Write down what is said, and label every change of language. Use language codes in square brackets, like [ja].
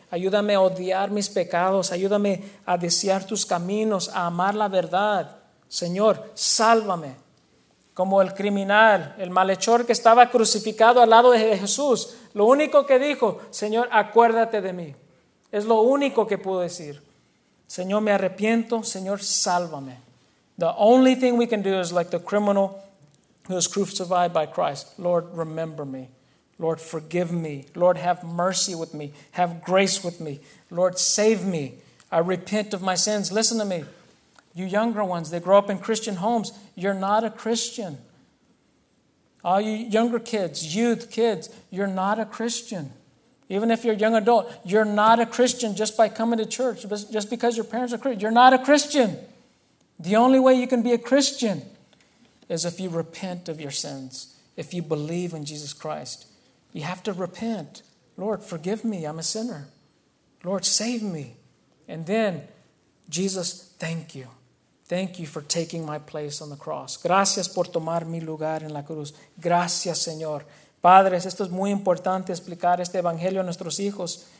[es] Ayúdame a odiar mis pecados. Ayúdame a desear tus caminos, a amar la verdad. Señor, sálvame. Como el criminal, el malhechor que estaba crucificado al lado de Jesús, lo único que dijo, Señor, acuérdate de mí. Es lo único que pudo decir. Señor, me arrepiento. Señor, sálvame. [en] The only thing we can do is like the criminal who was crucified by Christ. Lord, remember me. Lord, forgive me. Lord, have mercy with me. Have grace with me. Lord, save me. I repent of my sins. Listen to me. You younger ones, they grow up in Christian homes. You're not a Christian. All you younger kids, youth kids, you're not a Christian. Even if you're a young adult, you're not a Christian just by coming to church, just because your parents are Christian. You're not a Christian. The only way you can be a Christian is if you repent of your sins, if you believe in Jesus Christ. You have to repent. Lord, forgive me. I'm a sinner. Lord, save me. And then, Jesus, thank you. Thank you for taking my place on the cross. [es] Gracias por tomar mi lugar en la cruz. Gracias, Señor. Padres, esto es muy importante explicar este evangelio a nuestros hijos.